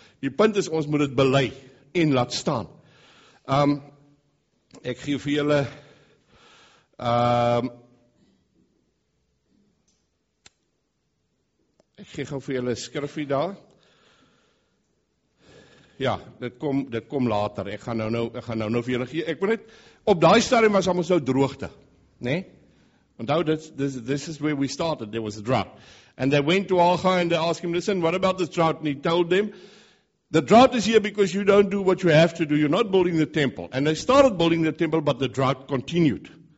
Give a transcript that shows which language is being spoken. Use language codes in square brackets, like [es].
[af] Die punt is, ons moet het belei en laat staan. Ek geef vir julle, ek geef vir julle skrifie daar. Ja, dit kom later, ek gaan nou vir julle gee. Ek moet net, op daai stadium was almal nou droogte, nee? Want nou, [en] this is where we started, there was a drought. And they went to Alga and they asked him, listen, what about this drought? And he told them, the drought is here because you don't do what you have to do. You're not building the temple. And they started building the temple, but the drought continued.